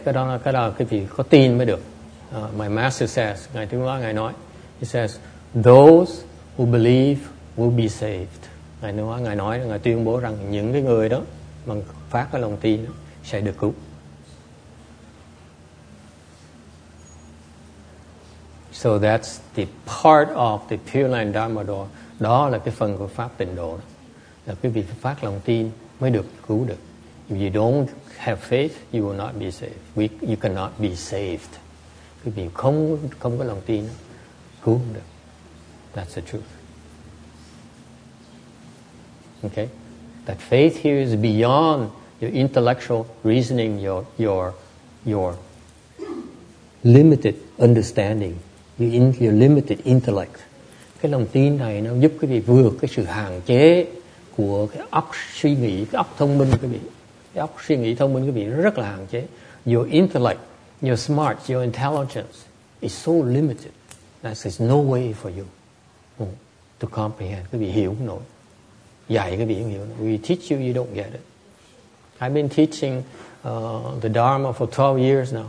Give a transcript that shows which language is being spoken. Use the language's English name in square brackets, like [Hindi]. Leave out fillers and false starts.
[Vietnamese] Cái đó là quý vị có tin mới được. [English] My master says, [Vietnamese] ngài tiếng nói ngài nói, [English] he says, those who believe will be saved. [Vietnamese] Ngài nói, Ngài tuyên bố rằng những cái người đó mà phát cái lòng tin sẽ được cứu. [English] So that's the part of the Pure Land Dharma Door. [Vietnamese] Đó là cái phần của Pháp Tịnh Độ. Là quý vị phát lòng tin mới được cứu được. [English] If you don't have faith, you will not be saved. You cannot be saved. [Vietnamese] Quý vị không có lòng tin, cứu không được. [English] That's the truth. Okay? That faith here is beyond your intellectual reasoning, your limited understanding. Your limited intellect. [Vietnamese] Cái lòng tin này nó giúp quý vị vượt cái sự hạn chế của cái óc suy nghĩ, cái óc thông minh quý vị. Cái óc suy nghĩ thông minh quý vị rất là hạn chế. [English] Your intellect, your smart, your intelligence is so limited that there's no way for you to comprehend. [Vietnamese] Quý vị hiểu không nổi. Dạy quý vị không hiểu. [English] We teach you, you don't get it. I've been teaching the Dharma for 12 years now.